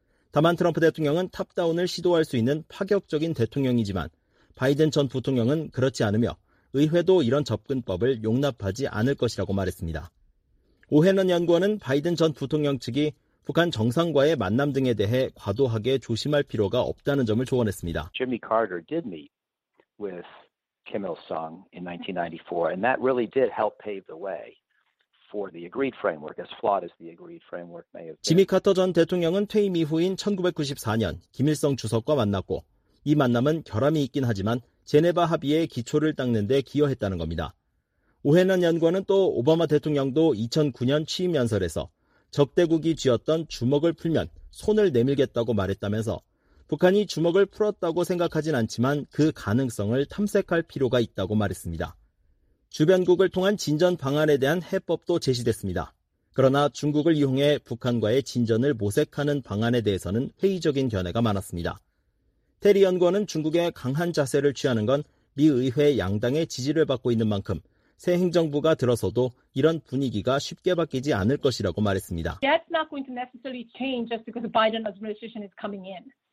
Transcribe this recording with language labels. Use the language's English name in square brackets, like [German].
[Korean] 다만 트럼프 대통령은 탑다운을 시도할 수 있는 파격적인 대통령이지만 바이든 전 부통령은 그렇지 않으며 의회도 이런 접근법을 용납하지 않을 것이라고 말했습니다. 오해넌 연구원은 바이든 전 부통령 측이 북한 정상과의 만남 등에 대해 과도하게 조심할 필요가 없다는 점을 조언했습니다. [English] Jimmy Carter did meet with Kim Il-sung in 1994 and that really did help pave the way for the agreed framework as flawed as the agreed framework may have been. [Korean] 지미 카터 전 대통령은 퇴임 이후인 1994년 김일성 주석과 만났고 이 만남은 결함이 있긴 하지만 제네바 합의의 기초를 닦는 데 기여했다는 겁니다. 오해넌 연구원은 또 오바마 대통령도 2009년 취임 연설에서 적대국이 쥐었던 주먹을 풀면 손을 내밀겠다고 말했다면서 북한이 주먹을 풀었다고 생각하진 않지만 그 가능성을 탐색할 필요가 있다고 말했습니다. 주변국을 통한 진전 방안에 대한 해법도 제시됐습니다. 그러나 중국을 이용해 북한과의 진전을 모색하는 방안에 대해서는 회의적인 견해가 많았습니다. 테리 연구원은 중국의 강한 자세를 취하는 건 미 의회 양당의 지지를 받고 있는 만큼 새 행정부가 들어서도 이런 분위기가 쉽게 바뀌지 않을 것이라고 말했습니다. [English] That's not going to necessarily change just because the Biden administration is coming in.